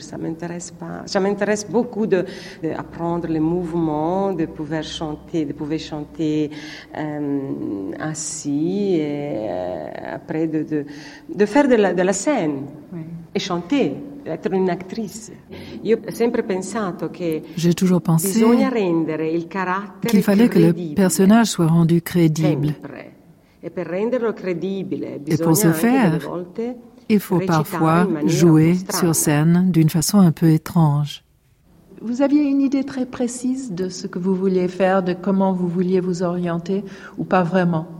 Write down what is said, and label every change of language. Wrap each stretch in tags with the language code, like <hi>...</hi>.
<fr>Ça m'intéresse pas. Ça m'intéresse beaucoup d'apprendre les mouvements, de pouvoir chanter, assis et après de faire de la scène et chanter, être une actrice.</fr> <it>Io ho sempre pensato che</it> <fr>j'ai toujours pensé</fr> <it>bisogna rendere il carattere</it> <fr>qu'il fallait crédible. Que le personnage soit rendu crédible.</fr> <it>Sempre.</it> <fr>Et pour</fr> <it>renderlo</it> <fr>crédible, et pour ce faire, il faut parfois jouer sur scène d'une façon un peu étrange. Vous aviez une idée très précise de ce que vous vouliez faire, de comment vous vouliez vous orienter, ou pas vraiment?</fr>